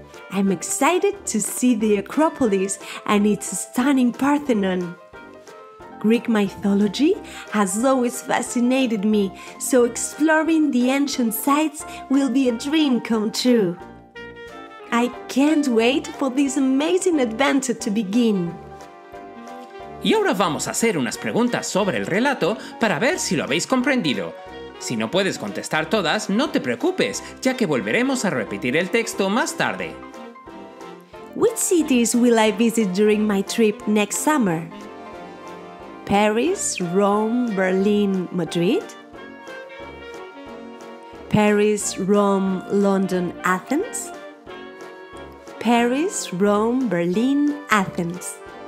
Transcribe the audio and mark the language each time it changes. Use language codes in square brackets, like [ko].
[en] I'm excited to see the Acropolis and its stunning Parthenon. Greek mythology has always fascinated me, so exploring the ancient sites will be a dream come true. I can't wait for this amazing adventure to begin. [es] Y ahora vamos a hacer unas preguntas sobre el relato para ver si lo habéis comprendido. Si no puedes contestar todas, no te preocupes, ya que volveremos a repetir el texto más tarde. [en] Which cities will I visit during my trip next summer? Paris, Rome, Berlin, Madrid? Paris, Rome, London, Athens? Paris, Rome, Berlin, Athens.